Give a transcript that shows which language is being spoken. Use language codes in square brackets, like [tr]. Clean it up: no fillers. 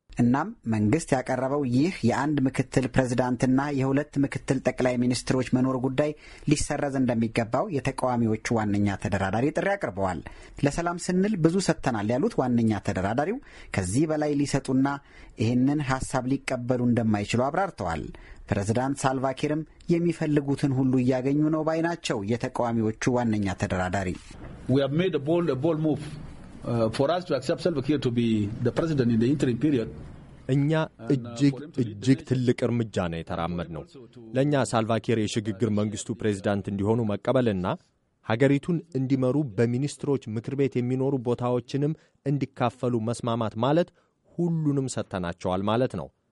[am] እናም መንግስት ያቀረበው ይህ የ1 ምክትል ፕሬዝዳንትና የ2 ምክትል ጠቅላይ ሚኒስትሮች መኖር ጉዳይ ሊሰረዝ እንደሚገባው የተቃዋሚዎቹ ዋነኛ ተደራዳሪ ጥሪ አቅርበዋል። ለሰላም ስንል ብዙ ሰጥተናል ያሉት ዋነኛ ተደራዳሪው ከዚህ በላይ ሊሰጡና ይህንን ሐሳብ ሊቀበሉ እንደማይችሉ አብራርተዋል። ፕሬዝዳንት ሳልቫኪርም የሚፈልጉትን ሁሉ ያገኙ ነው ባይ ናቸው የተቃዋሚዎቹ ዋነኛ ተደራዳሪ። [en] We have made a bold move for us to accept Salvakir to be the president in the interim period. [am] እኛ እጅግ ትልቅ እርምጃ ነው የተራመድነው። ለኛ ሳልቫኪር የሽግግር መንግስቱ ፕሬዝዳንት እንዲሆኑ መቀበልና ሀገሪቱን እንዲመሩ በሚኒስትሮች ምክር ቤት የሚኖሩ ቦታዎችንም እንዲካፈሉ መስማማት ማለት ሁሉንም ሰጥተናቸዋል ማለት ነው።